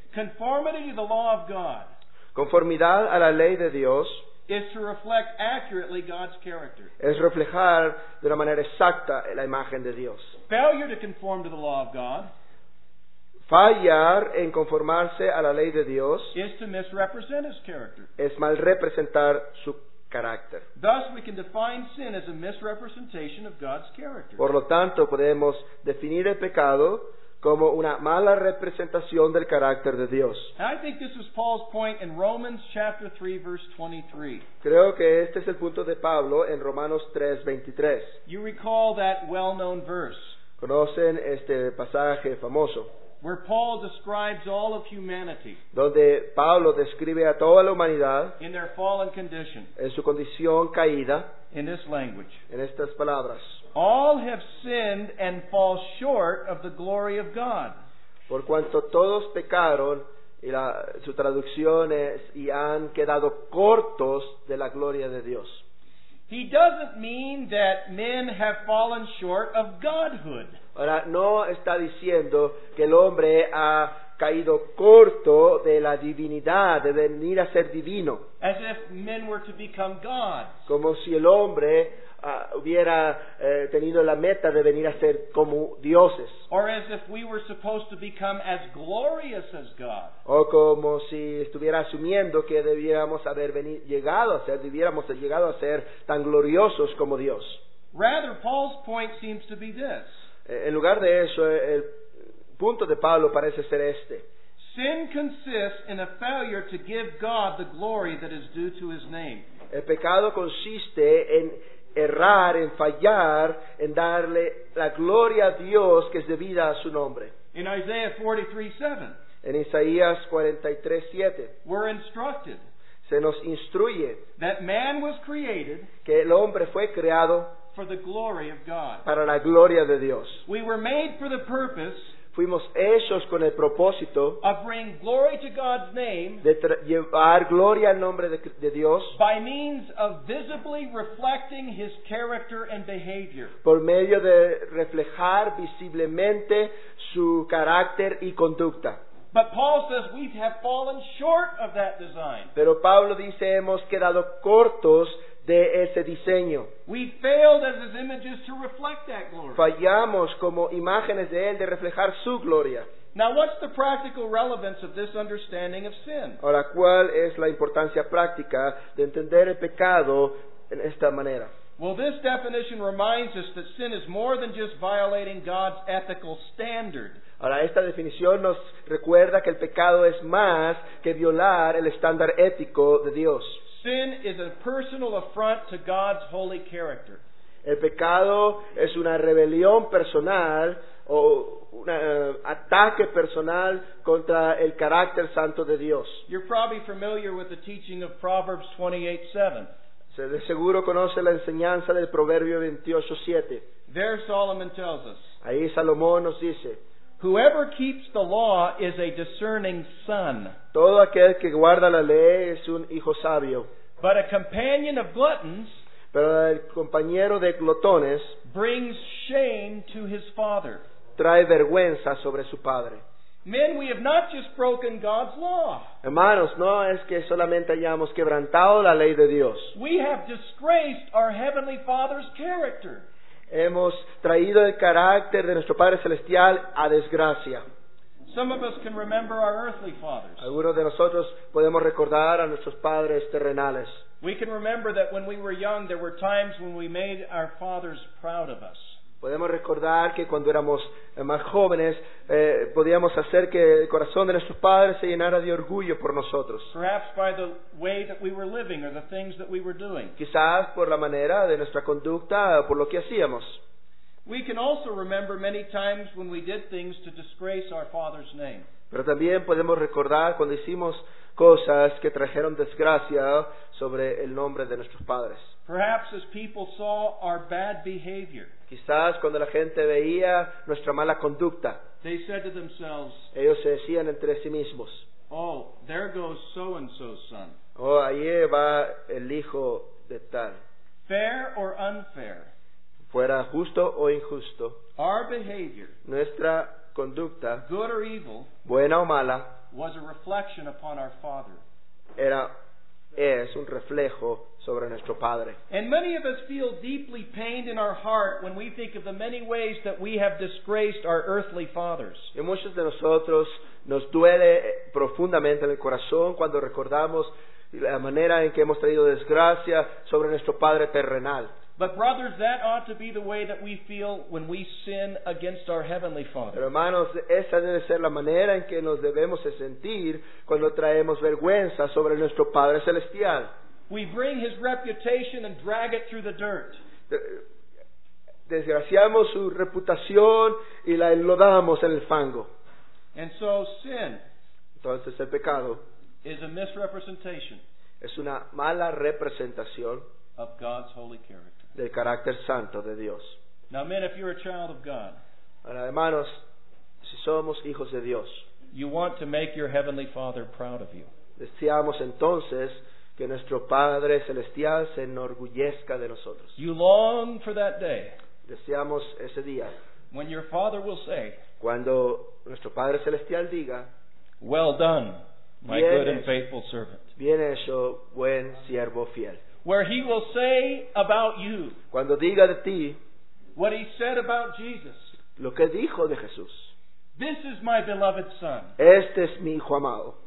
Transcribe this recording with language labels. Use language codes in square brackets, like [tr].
[en] Conformity to the law of God. [es] Conformidad a la ley de Dios. [en] Is to reflect accurately God's character. [es] Es reflejar de una manera exacta la imagen de Dios. [en] Failure to conform to the law of God. [es] Fallar en conformarse a la ley de Dios. [en] Is to misrepresent his character. [es] Es mal representar su carácter. [en] Thus, we can define sin as a misrepresentation of God's character. [es] Por lo tanto, podemos definir el pecado como una mala representación del carácter de Dios. [en] And I think this is Paul's point in Romans chapter 3, verse 23. [es] Creo que este es el punto de Pablo en Romanos 3, 23. [en] You recall that well-known verse. [es] ¿Conocen este pasaje famoso? [en] Where Paul describes all of humanity, [es] donde Pablo describe a toda la humanidad, [en] in their fallen condition, [es] en su condición caída, [en] in this language, [es] en estas palabras, [en] all have sinned and fall short of the glory of God. [es] Por cuanto todos pecaron, y la su traducción es, y han quedado cortos de la gloria de Dios. [en] He doesn't mean that men have fallen short of godhood. [es] Ahora, no está diciendo que el hombre ha caído corto de la divinidad, de venir a ser divino. [en] As if men were to become gods. [es] Como si el hombre hubiera tenido la meta de venir a ser como dioses. [en] Or as if we were supposed to become as glorious as God. [es] O como si estuviera asumiendo que debiéramos haber llegado a ser tan gloriosos como Dios. [en] Rather, Paul's point seems to be this. [es] En lugar de eso, el punto de Pablo parece ser este. [en] Sin consists in a failure to give God the glory that is due to his name. [es] El pecado consiste en errar, en fallar, en darle la gloria a Dios que es debida a su nombre. [en] In Isaiah 43:7. [es] En Isaías 43:7. [en] We're instructed. [es] Se nos instruye. [en] That man was created. [es] Que el hombre fue creado. [en] For the glory of God. [es] Para la gloria de Dios. [en] We were made for the purpose. [es] Fuimos hechos con el propósito. [en] Of bringing glory to God's name. [es] De llevar gloria al nombre de Dios. [en] By means of visibly reflecting his character and behavior. [es] Por medio de reflejar visiblemente su carácter y conducta. [en] But Paul says we have fallen short of that design. [es] Pero Pablo dice hemos quedado cortos de ese diseño. [en] We failed as his images to reflect that glory. [es] Fallamos como imágenes de él de reflejar su gloria. [en] Now, what's the practical relevance of this understanding of sin? [es] Ahora, ¿cuál es la importancia práctica de entender el pecado en esta manera? [en] Well, this definition reminds us that sin is more than just violating God's ethical standard. [es] Ahora, esta definición nos recuerda que el pecado es más que violar el estándar ético de Dios. [en] Sin is a personal affront to God's holy character. [es] El pecado es una rebelión personal o un ataque personal contra el carácter santo de Dios. [en] You're probably familiar with the teaching of Proverbs 28:7. [es] Se de seguro conoce la enseñanza del Proverbio 28:7. [en] There Solomon tells us. [es] Ahí Salomón nos dice. [en] Whoever keeps the law is a discerning son. [es] Todo aquel que guarda la ley es un hijo sabio. [en] But a companion of gluttons, [es] pero el compañero de glotones, [en] brings shame to his father. [es] Trae vergüenza sobre su padre. [en] Men, we have not just broken God's law. [es] Hermanos, no es que solamente hayamos quebrantado la ley de Dios. [en] We have disgraced our heavenly Father's character. [es] Hemos traído el carácter de nuestro Padre Celestial a desgracia. [en] Some of us can remember our earthly fathers. [es] Algunos de nosotros podemos recordar a nuestros padres terrenales. [en] We can remember that when we were young, there were times when we made our fathers proud of us. [es] Podemos recordar que cuando éramos más jóvenes, podíamos hacer que el corazón de nuestros padres se llenara de orgullo por nosotros. [en] Perhaps by the way that we were living or the things that we were doing. [es] Quizás por la manera de nuestra conducta o por lo que hacíamos. [en] We can also remember many times when we did things to disgrace our father's name. [es] Pero también podemos recordar cuando hicimos cosas que trajeron desgracia sobre el nombre de nuestros padres. [en] Perhaps as people saw our bad behavior. [es] Quizás cuando la gente veía nuestra mala conducta, [en] they said to themselves, [es] ellos se decían entre sí mismos, [en] oh, there goes so-and-so's son. [es] Oh, ahí va el hijo de tal. [en] Fair or unfair, [es] fuera justo o injusto, [en] our behavior, [es] nuestra conducta, [en] good or evil, [es] buena o mala, [en] was a reflection upon our father. [es] Es un reflejo sobre nuestro padre. [en] And many of us feel deeply pained in our heart when we think of the many ways that we have disgraced our earthly fathers. [es] Y muchos de nosotros nos duele profundamente en el corazón cuando recordamos la manera en que hemos traído desgracia sobre nuestro padre terrenal. [en] But brothers, that ought to be the way that we feel when we sin against our heavenly Father. [es] Pero hermanos, esa debe ser la manera en que nos debemos sentir cuando traemos vergüenza sobre nuestro Padre Celestial. [en] We bring his reputation and drag it through the dirt. [es] Desgraciamos su reputación y la enlodamos en el fango. [en] And so sin, [es] entonces el pecado, [en] is a misrepresentation. [es] Es una mala representación [en] of God's holy character. [es] Del carácter santo de Dios. [en] Now, men, if you're a child of God, [es] ahora, hermanos, si somos hijos de Dios, [en] you want to make your heavenly Father proud of you. [es] Deseamos entonces que nuestro Padre Celestial se enorgullezca de nosotros. [en] You long for that day. [es] Deseamos ese día. [en] When your Father will say, [es] cuando nuestro Padre Celestial diga, [en] well done, my good and faithful servant. [es] Bien hecho, buen siervo fiel. [en] Where he will say about you, [es] cuando diga de ti, [en] what he said about Jesus, [es] lo que dijo de Jesús, [en] this is my beloved son, [es] este es mi hijo amado,